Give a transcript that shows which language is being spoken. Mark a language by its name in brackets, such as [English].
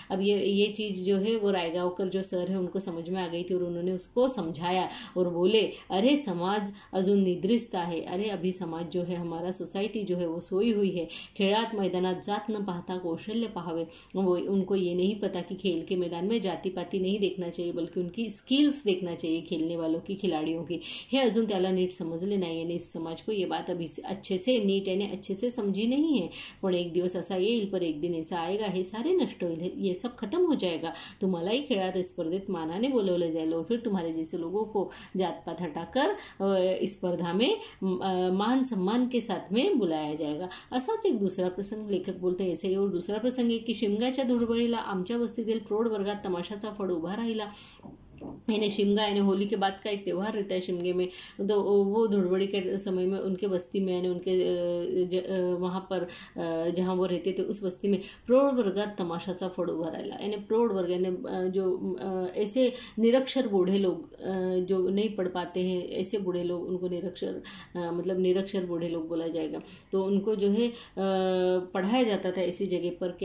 [Hindi] अब ये चीज जो है वो रायगावकर जो सर है उनको समझ में आ गई थी और उन्होंने उसको समझाया और बोले, [Marathi] अरे समाज अजून निद्रिस्त आहे, [Hindi] अरे अभी समाज जो है हमारा सोसाइटी जो है वो सोई हुई है। [Marathi] खेळात मैदानात जात न पाहता कौशल्य पहावे। [Hindi] वो उनको ये नहीं पता कि खेल के मैदान में जाति पाति नहीं देखना चाहिए बल्कि उनकी स्किल्स देखना चाहिए खेलने वालों की खिलाड़ियों की। [Marathi] हे अजून त्याला नीट समजले नाही, [Hindi] यानी इस समाज को ये बात अभी अच्छे से नीट यानी अच्छे से समझी नहीं है। [Marathi] पण एक दिवस असा येईल [Hindi] पर एक दिन ऐसा आएगा [Marathi] हे सारे नष्ट होईल, [Hindi] ये सब खत्म हो जाएगा। [Marathi] तुम्हालाही खेळात स्पर्धेत मानाने बोलवले जाईल [Hindi] और तुम्हारे जैसे लोगों को जात पात हटाकर इस स्पर्धा में मान सम्मान के साथ में बुलाया जाएगा। [Marathi] असाच एक दूसरा प्रसंग लेखक बोलते [Hindi] ऐसे ही और दूसरा प्रसंग है कि [Marathi] शिमग्याच्या धुडबळीला आमच्या वस्तीतील प्रौढ वर्गात तमाशाचा फड उभा राहिला। [Hindi] यानी शिमगा यानी होली के बाद का एक त्यौहार रहता है शिमगे में, तो वो धुड़बड़ी के समय में उनके बस्ती में यानी उनके वहाँ पर जहाँ वो रहते थे उस बस्ती में प्रौढ़ वर्ग तमाशा सा फड़ उभर आया। यानी प्रौढ़ वर्ग यानी जो ऐसे निरक्षर बूढ़े लोग जो नहीं पढ़ पाते हैं, ऐसे बूढ़े लोग उनको निरक्षर मतलब निरक्षर बूढ़े लोग बोला जाएगा, तो उनको जो है पढ़ाया जाता था ऐसी जगह पर।